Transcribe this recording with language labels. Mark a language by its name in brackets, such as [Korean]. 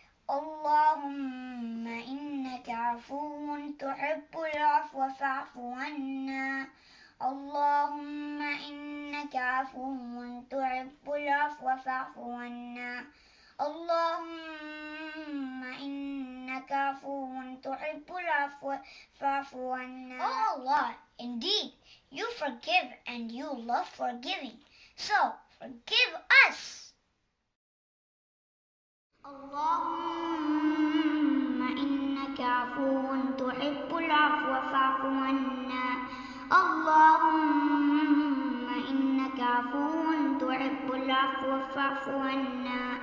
[Arabic] اللهم إنك عفو تحب العفو فاعف عنا اللهم إنك عفو تحب العفو فاعف عنا اللهم إنك عفو تحب العفو فاعف عنا. [English] Oh Allah, indeed, you forgive and you love forgiving. So, forgive us. [Arabic] اللهم إنك عفو تحب العفو فاعف عنا. اللهم إنك عفو تحب العفو فاعف عنا.